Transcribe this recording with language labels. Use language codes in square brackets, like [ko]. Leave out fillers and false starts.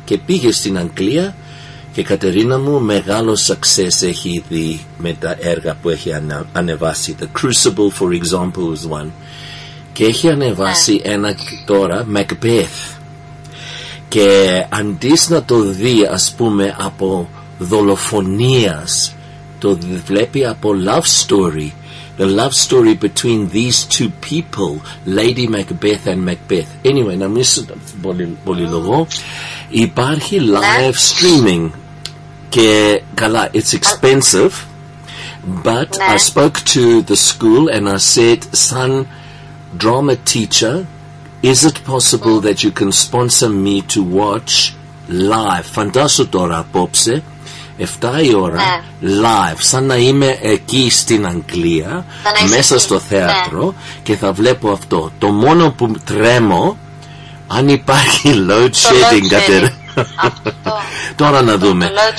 [el] Και πήγε στην Αγγλία. Και Κατερίνα μου, μεγάλο success έχει ήδη με τα έργα που έχει ανεβάσει. [en] The Crucible, for example, is one. [el] Και έχει ανεβάσει ένα τώρα, [en] Macbeth. [el] Και αντί να το δει, ας πούμε, από δολοφονίας, το βλέπει από love story. [en] The love story between these two people, Lady Macbeth and Macbeth. [el] Anyway, να μην πολυλογώ. Υπάρχει live streaming. Και καλά, [en] it's expensive, but I spoke to the school and I said, son, drama teacher, is it possible that you can sponsor me to watch live? [el] Φαντάσου τώρα απόψε, 7 η ώρα, live, σαν να είμαι εκεί στην Αγγλία, μέσα στο θέατρο και θα βλέπω αυτό. Το μόνο που τρέμω, αν υπάρχει load shedding, τώρα να δούμε.